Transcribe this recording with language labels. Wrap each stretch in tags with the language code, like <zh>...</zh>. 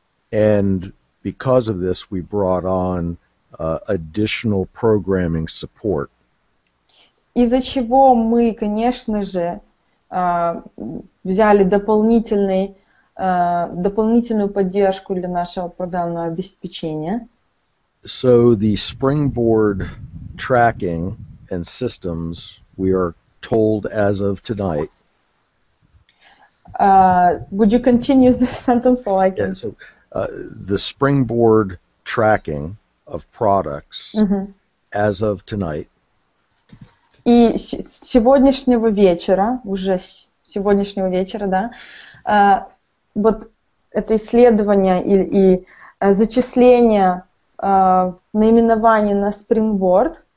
<en>And because of this, we brought on additional programming support.</en> <ru>Из-за чего мы, конечно же, взяли дополнительную поддержку для нашего программного обеспечения.</ru> <en>So the Springboard tracking and systems, we are told as of tonight, Would you continue the sentence so I can? Yeah, so the springboard tracking of products as of tonight.</en> <ru>И сегодняшнего вечера, уже сегодняшнего вечера, да, вот это исследование и зачисление наименований на springboard</ru>